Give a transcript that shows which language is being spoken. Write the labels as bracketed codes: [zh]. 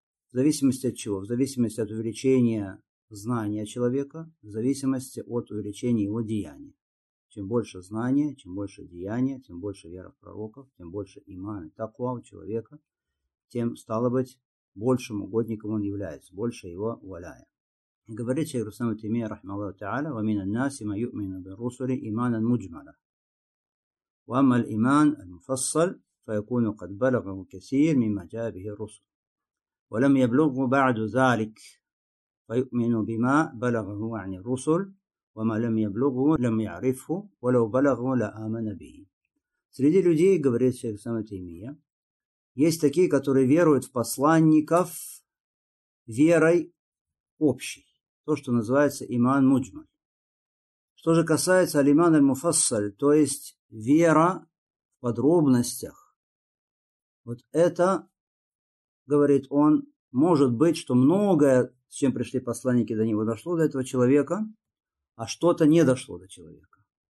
[ru] В зависимости от чего? В зависимости от увеличения знания человека, в зависимости от увеличения его деяния. Чем больше знания, чем больше деяния, тем больше вера в пророков, тем больше имана, таква у человека, тем, стало быть, большим угодником он является, больше его валяя. Говорит шейх Рустам Утаймия, рахмаллаху та'аля, [ar] وَمِنَ النَّاسِ مَا يُؤْمِنُ بِالرُّسُلِ إِمَانًا مُجْمَلًا وَأَمَّا الْإِمَانُ الْمُفَصَّلُ فَيَكُونُ قَدْ بَلَغَهُ كَثِيرٌ مِمَّا جَاءَ بِهِ الرُّسُلُ وَلَمْ يَبْلُغْهُ بَعْدُ ذَلِكَ فَيُؤْمِنُ بِمَا بَلَغَهُ عَنِ الرُّسُلِ وَمَا لَمْ يَبْلُغْهُ لَمْ يَعْرِفْهُ وَلَوْ بَلَغَهُ لَآمَنَ بِهِ. [ru] Среди людей, говорит шейх Рустам Утаймия, есть такие, которые веруют в посланников верой общей. То, что называется иман муджмаль. Что же касается алиман аль-муфассаль, то есть вера в подробностях, вот это, говорит он, может быть, что многое, с чем пришли посланники до него, дошло до этого человека, а что-то не дошло до человека.